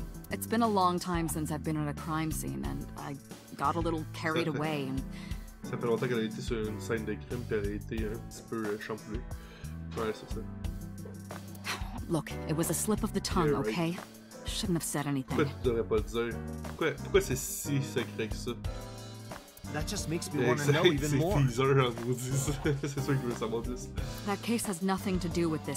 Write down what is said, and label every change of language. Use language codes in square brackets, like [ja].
[en] It's been a long time since I've been at a crime scene, and I got a little carried away. And... [fr] Ça fait longtemps qu'elle a été sur une scène de crime, puis elle a été un petit peu champlée. Ouais, c'est ça. [en] Look, it was a slip of the tongue, yeah, okay? Right. Shouldn't have said anything. [fr] Pourquoi tu devrais pas le dire? Pourquoi c'est si secret que ça? [en] That just makes me want to know even more. [fr] C'est teaser, on vous dit ça. C'est sûr qu'il veut savoir plus. [en] That case has nothing to do with this.